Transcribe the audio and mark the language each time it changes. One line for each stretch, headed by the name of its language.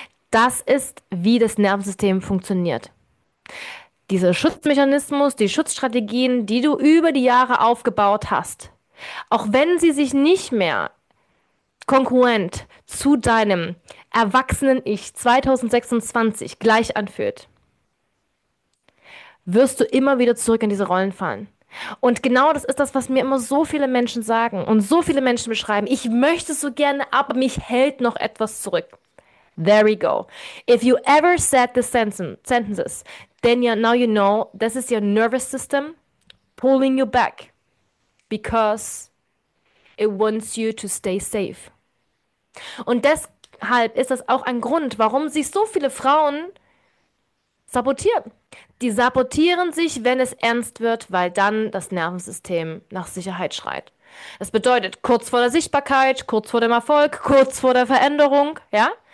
German: Das ist, wie das Nervensystem funktioniert. Dieser Schutzmechanismus, die Schutzstrategien, die du über die Jahre aufgebaut hast, auch wenn sie sich nicht mehr konkurrent zu deinem Erwachsenen-Ich 2026 gleich anfühlt, wirst du immer wieder zurück in diese Rollen fallen. Und genau das ist das, was mir immer so viele Menschen sagen und so viele Menschen beschreiben. Ich möchte so gerne, aber mich hält noch etwas zurück.
English: There we go. If you ever said the sentences, then you, now you know, this is your nervous system pulling you back because it wants you to stay safe.
German: Und deshalb ist das auch ein Grund, warum sich so viele Frauen sabotieren. Die sabotieren sich, wenn es ernst wird, weil dann das Nervensystem nach Sicherheit schreit. Das bedeutet kurz vor der Sichtbarkeit, kurz vor dem Erfolg, kurz vor der Veränderung, ja?